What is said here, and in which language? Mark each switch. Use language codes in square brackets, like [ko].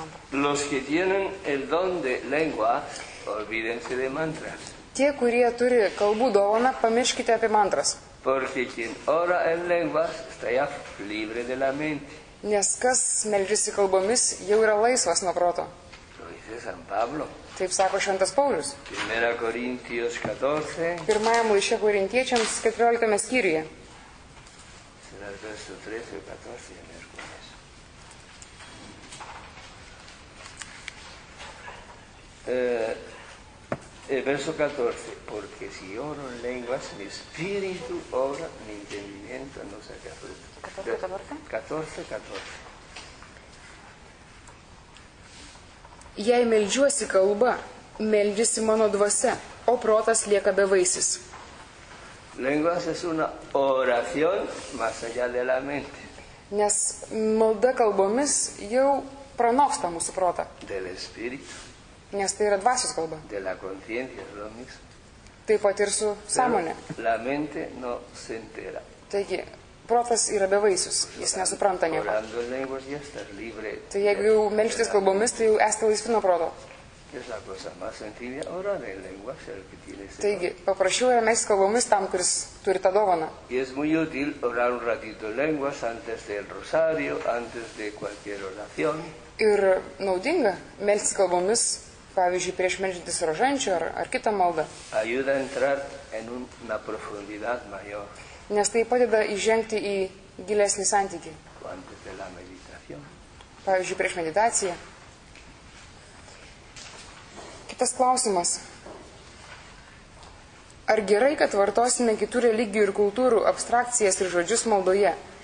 [es] Los que tienen el don de lengua, olvídense de mantras. [lt] Tie, kurie turi kalbų dovaną, pamirškite apie mantras. [es] Porque quien ora en lenguas está ya libre de la mente. [lt] Nes kas meldžiasi kalbomis, jau yra laisvas nuo proto. [es] Lo dice San Pablo. [lt] Taip sako šventas Paulius. [es] 1 Corintios 14. [lt] Pirmajam laiške Korintiečiams 14 skyriuje. [es] Será el verso 13 o 14, en el cuales. El verso 14, porque si oro en lenguas, mi espíritu obra, mi entendimiento no se acaba. 14. [lt] Jei meldžiuosi kalba, meldžiasi mano dvasia, o protas lieka bevaisis. [es] Lenguas es una oración más allá de la mente. [lt] Nes malda kalbomis jau pranoksta mūsų protą. [es] Del espíritu. [lt] Nes tai yra dvasios kalba. [es] De la conciencia, lo mismo. [lt] Taip pat ir su sąmonė. [es] La mente no se entera. [lt] Taigi, protas yra bevaisius, jis nesupranta nieko. [es] Orando en lenguas ya estar libre. [lt] Tai jeigu jau melžtis kalbomis, tai jau esti laisvi nuo proto. [es] Es la cosa más sencilla, orar en lenguas, el que tiene ese. [lt] Taigi, paprašiau yra melžtis kalbomis tam, kuris turi tą dovaną. [es] Y es muy útil orar un ratito en lenguas antes del rosario, antes de cualquier oración. [lt] Ir naudinga melžtis kalbomis. Pavyzdžiui, prieš meldžiantis rožančio ar kitą maldą. [es] Ayuda entrar en una profundidad mayor. [lt] Nes tai padeda įžengti į gilesnį santykį. [es] Antes de la meditación. [lt] Pavyzdžiui, prieš meditaciją. Kitas klausimas. Ar gerai, kad vartosime kitų religijų ir kultūrų abstrakcijas ir žodžius maldoje?